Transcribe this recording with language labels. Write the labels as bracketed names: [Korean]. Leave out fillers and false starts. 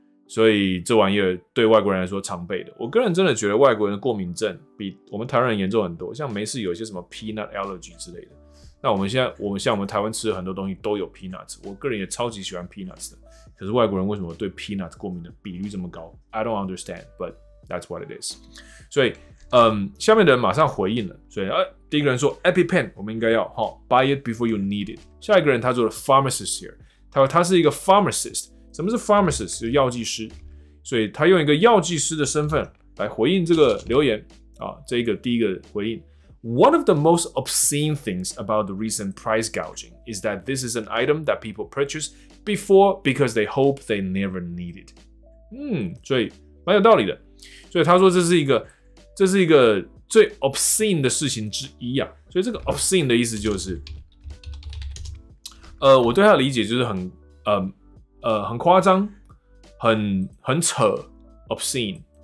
[Chinese] 所以这玩意儿对外国人来说常备的。我个人真的觉得外国人的过敏症比我们台湾人严重很多，像没事有一些什么 peanut allergy 之类的。那我们台湾吃的很多东西都有 peanuts， 我个人也超级喜欢 peanuts 的。可是外国人为什么对 peanuts 过敏的比率这么高 ？ [English] I don't understand， but that's what it is。 [Chinese] 所以。下面的人马上回应了，所以第一个人说 EpiPen， 我们应该要哈 [English] buy it before you need it。 [Chinese] 下一个人他做了 pharmacist here， 他说他是一个 pharmacist， 什么是 pharmacist？就是药剂师，所以他用一个药剂师的身份来回应这个留言啊。这个第一个回应 [English] ，One of the most obscene things about the recent price gouging is that this is an item that people purchase before because they hope they never need it。 [Chinese] 所以蛮有道理的，所以他说这是一个。这是一个最 obscene 的事情之一啊，所以这个 obscene 的意思就是，我对他的理解就是很夸张，很扯 ，obscene。